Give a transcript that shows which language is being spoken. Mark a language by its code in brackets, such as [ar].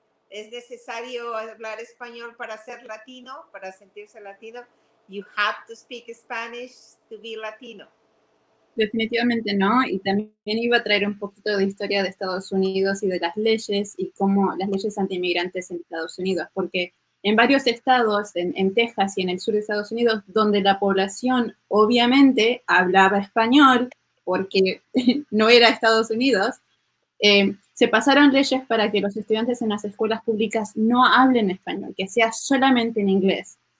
[es] ¿Es necesario hablar español para ser Latino, para sentirse Latino? [en] You have to speak Spanish to be Latino. [es] Definitivamente no, y también iba a traer un poquito de historia de Estados Unidos y de las leyes y cómo las leyes antiinmigrantes en Estados Unidos, porque en varios estados, en Texas y en el sur de Estados Unidos, donde la población obviamente hablaba español porque no era Estados Unidos, se pasaron leyes para que los estudiantes en las escuelas públicas no hablen español, que sea solamente en inglés.